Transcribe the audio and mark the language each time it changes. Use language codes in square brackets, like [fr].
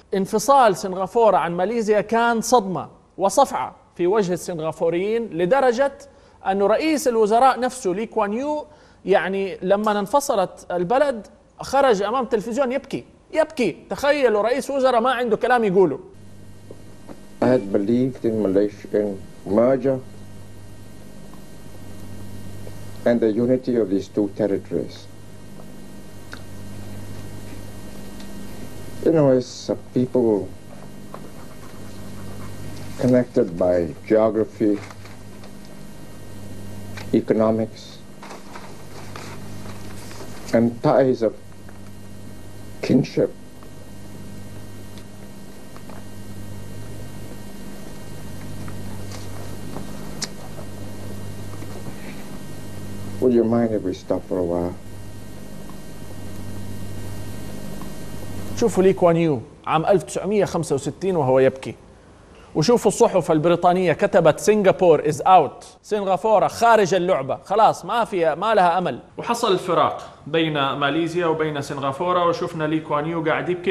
[ar] انفصال سنغافورة عن ماليزيا كان صدمة وصفعة في وجه السنغافوريين، لدرجة أنه رئيس الوزراء نفسه لي كوان يو يعني لما انفصلت البلد خرج أمام تلفزيون يبكي يبكي، تخيلوا رئيس وزراء ما عنده كلام يقوله. [en] I had believed in Malaysia in merger and the unity of these two territories. You know, as a people connected by geography, economics, and ties of kinship, would you mind if we stop for a while? [ar] شوفوا لي كوان يو عام 1965 وهو يبكي، وشوفوا الصحف البريطانية كتبت سنغافورة [en] is out، [ar] سنغافورة خارج اللعبة، خلاص ما فيها ما لها أمل. وحصل الفراق بين ماليزيا وبين سنغافورة، وشوفنا لي كوان يو قاعد يبكي.